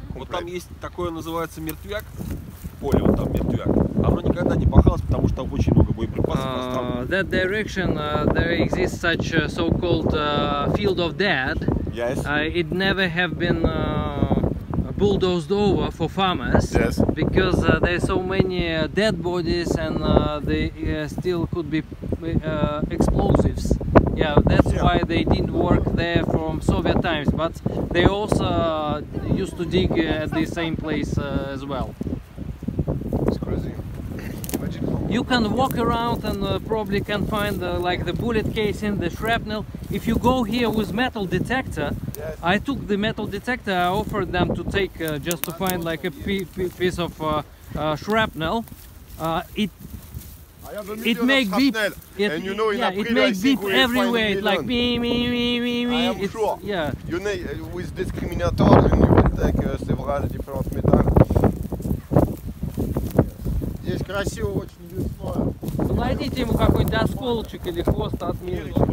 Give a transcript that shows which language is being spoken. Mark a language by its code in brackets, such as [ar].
[ru] Там есть такое, называется мертвяк, поле вот там мертвяк, оно никогда не пахалось, потому что там очень много боеприпасов оставлено. [en] That direction, there exists such so-called field of dead. Yes. It never have been bulldozed over for farmers. Yes. Because there are so many dead bodies and they still could be explosives. Yeah, that's why they didn't work there from Soviet times, but they also used to dig at the same place as well. It's crazy. You can walk around and probably can find like the bullet casing, the shrapnel. If you go here with metal detector, yes. I took the metal detector, I offered them to take just to find like a piece of shrapnel. It makes beep, and you know in it makes beep everywhere. It's like me, me, me, me, me. You need with discriminator, and you can take several different metal. [ru] Здесь красиво очень лесно. Найдите ему какой-нибудь осколочек или хвост от мира.